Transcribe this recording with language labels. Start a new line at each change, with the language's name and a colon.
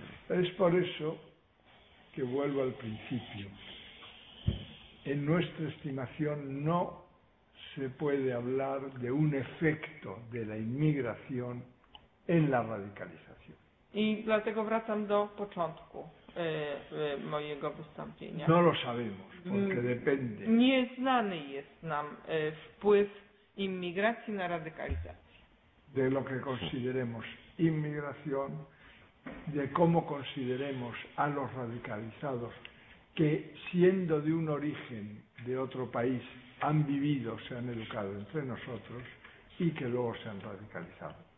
Spanish: Es por eso que vuelvo al principio. En nuestra estimación no se puede hablar de un efecto de la inmigración en la radicalización.
Polish: I dlatego wracam do początku mojego wystąpienia.
Spanish: No lo sabemos, porque depende.
Polish: Nieznany jest nam wpływ inmigracji na radykalizację.
Spanish: De lo que consideremos inmigración, de cómo consideremos a los radicalizados que siendo de un origen de otro país han vivido, se han educado entre nosotros y que luego se han radicalizado.